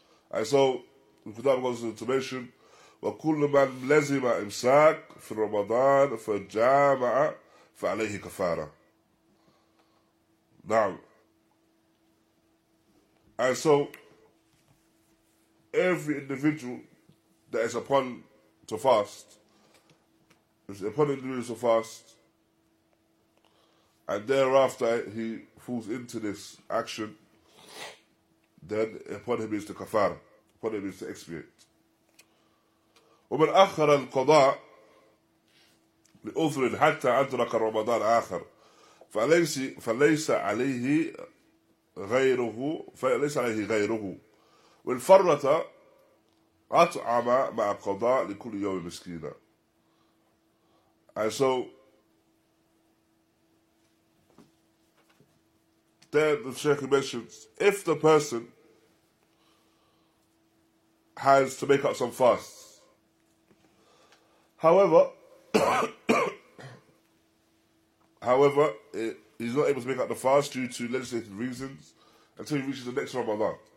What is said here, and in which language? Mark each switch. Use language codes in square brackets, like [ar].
[en] And so, Qudama goes into mention, [ar] وكل من لزم امساك في رمضان فجامع فعليه كفاره. [en] Now, and so every individual that is upon to fast, is upon individuals to fast, and thereafter he falls into this action, then upon him is the kafara, upon him is the expiate. [ar] ومن أخر القضاء لأذر حتى أدرك رمضان آخر فليس عليه غيره وإن فرط أطعم مع قضاء لكل يوم مسكينا. [en] And so then the Sheikh mentions, if the person has to make up some fast, however, he's not able to make out the fast due to legislative reasons until he reaches the next Ramadan.